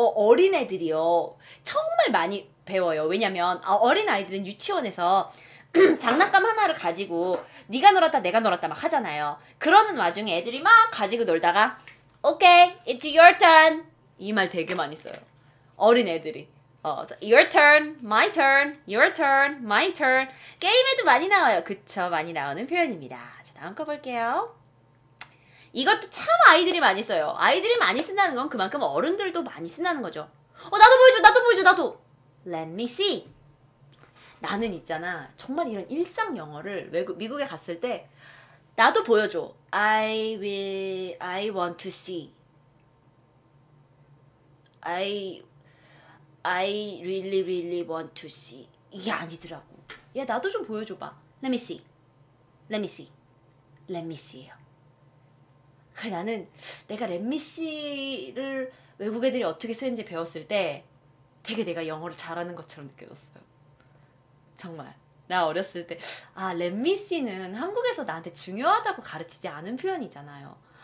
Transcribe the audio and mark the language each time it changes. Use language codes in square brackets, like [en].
[ko] 어린애들이요. 정말 많이 배워요. 왜냐면 어린아이들은 유치원에서 장난감 하나를 가지고 네가 놀았다 내가 놀았다 막 하잖아요. 그러는 와중에 애들이 막 가지고 놀다가 [en] Okay, it's your turn. [ko] 이 말 되게 많이 써요. 어린애들이. [en] Your turn, my turn, your turn, my turn. [ko] 게임에도 많이 나와요. 그쵸, 많이 나오는 표현입니다. 자, 다음 거 볼게요. 이것도 참 아이들이 많이 써요. 아이들이 많이 쓴다는 건 그만큼 어른들도 많이 쓴다는 거죠. 나도 보여줘, 나도 보여줘, 나도. [en] Let me see. [ko] 나는 있잖아. 정말 이런 일상 영어를 외국, 미국에 갔을 때 나도 보여줘. [en] I want to see. I really, really want to see. [ko] 이게 아니더라고. 야, 나도 좀 보여줘봐. [en] Let me see. Let me see. Let me see예요. [ko] 그래, 나는 내가 [en] Let me see [ko] 를 외국 애들이 어떻게 쓰는지 배웠을 때 되게 내가 영어를 잘하는 것처럼 느껴졌어요. 정말. 나 어렸을 때 아, [en] Let me see [ko] 는 한국에서 나한테 중요하다고 가르치지 않은 표현이잖아요.